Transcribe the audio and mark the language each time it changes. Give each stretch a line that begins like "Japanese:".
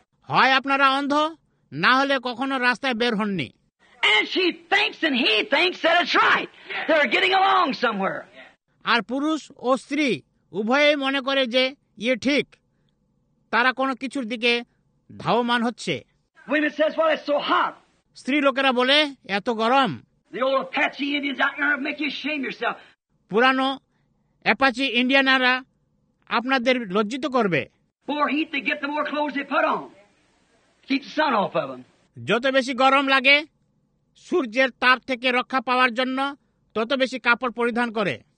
Bangla: হয় আপনারা অন্ধ, না হলে কখনো রাস্তায় বের হননি।
English: And she thinks and he thinks that it's right. They're getting along somewhere.
Bangla: আর পুরুষ ও স্ত্রী উভয়েই মনে করে যে ইয়ে ঠিক, তারা কোনো কিছুর দিকে ধাওমান হচ্ছে।
English: Women says, well, it's so hot.
Bangla: স্ত্রী লোকেরা বলে, এত গরম।
English: The old Apache Indians out there make you shame yourself.
Bangla: পুরানো অ্যাপাচি ইন্ডিয়ানারা আপনাদের লজ্জিত করবে।
English: More heat to get the more clothes they put on. Keep the sun off of them.
Bangla: যত বেশি গরম লাগে সূর্যের তাপ থেকে রক্ষা পাওয়ার জন্য তত বেশি কাপড় পরিধান করে।